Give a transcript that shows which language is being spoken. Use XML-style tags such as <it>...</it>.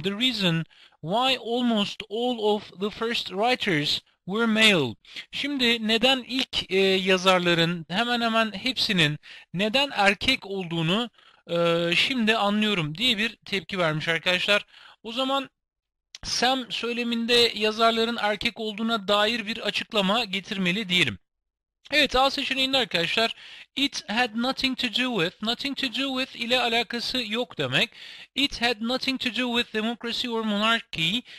<en>The reason why almost all of the first writers were male.</en> <tr>Şimdi neden ilk yazarların hemen hemen hepsinin neden erkek olduğunu şimdi anlıyorum diye bir tepki vermiş arkadaşlar. O zaman Sam söyleminde yazarların erkek olduğuna dair bir açıklama getirmeli diyelim. Evet, A seçeneğinde arkadaşlar.</tr> <en>It had nothing to do with, nothing to do with</en> <tr>ile alakası yok demek.</tr> <en>It had nothing to do with democracy or monarchy.</en>